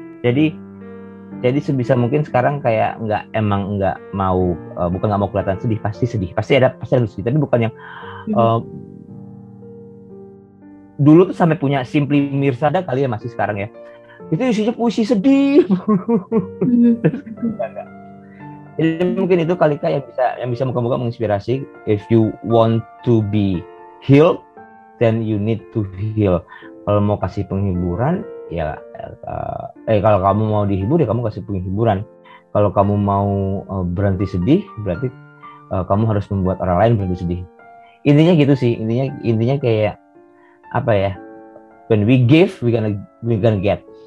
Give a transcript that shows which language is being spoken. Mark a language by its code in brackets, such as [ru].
[id] Jadi sebisa mungkin sekarang kayak bukan nggak mau kelihatan sedih, pasti sedih, pasti ada sedih, tapi bukan yang dulu tuh sampai punya Simply Mirsada kali ya, masih sekarang ya, itu isinya puisi sedih. Jadi mungkin itu kali kak yang bisa moga-moga menginspirasi. [en] If you want to be healed, then you need to heal. [id] Kalau mau kasih penghiburan ya. Kalau kamu mau dihibur ya kamu kasih penghiburan. Kalau kamu mau berhenti sedih, berarti kamu harus membuat orang lain berhenti sedih. Intinya gitu sih. Intinya kayak apa ya? [en] When we give, we gonna get.